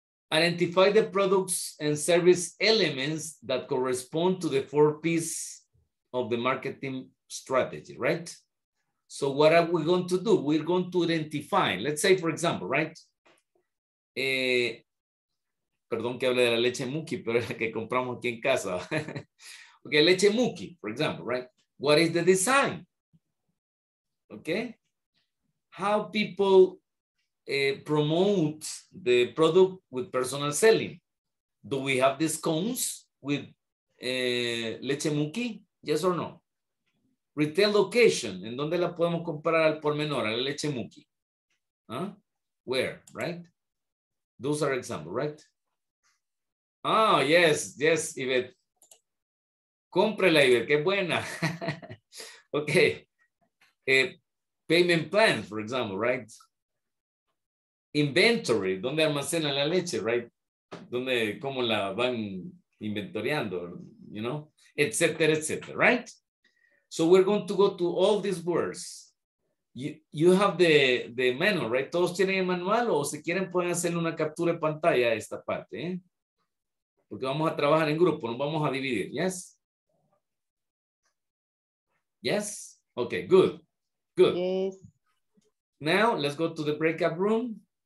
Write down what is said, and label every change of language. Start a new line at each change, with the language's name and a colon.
English: Identify the products and service elements that correspond to the four P's of the marketing strategy, right? So what are we going to do? We're going to identify, let's say, for example, right?
Spanish: Perdón que hable de la leche Muki, pero es la que compramos aquí en casa.
English: Okay, leche Muki, for example, right? What is the design? Okay? How people promote the product with personal selling? Do we have discounts with leche Muki? Yes or no?
Spanish: Retail location, ¿en dónde la podemos comprar al por menor, a la leche Muki?
English: Huh? Where, right? Those are examples, right?
Spanish: Oh, yes, yes, Ivette. Cómprela, Ivette, qué buena. Okay.
English: Payment plan, for example, right? Inventory,
Spanish: ¿dónde almacenan la leche,
English: right?
Spanish: ¿Dónde, cómo la van inventoriando,
English: you know?
Spanish: Etcétera, etcétera, right?
English: So we're going to go to all these words. You have the manual, right?
Spanish: Todos tienen el manual o si quieren pueden hacer una captura de pantalla a esta parte, ¿eh? Porque vamos a trabajar en grupo, nos vamos a dividir, yes?
English: Yes? Okay, good, good. Yes. Now let's go to the breakout room.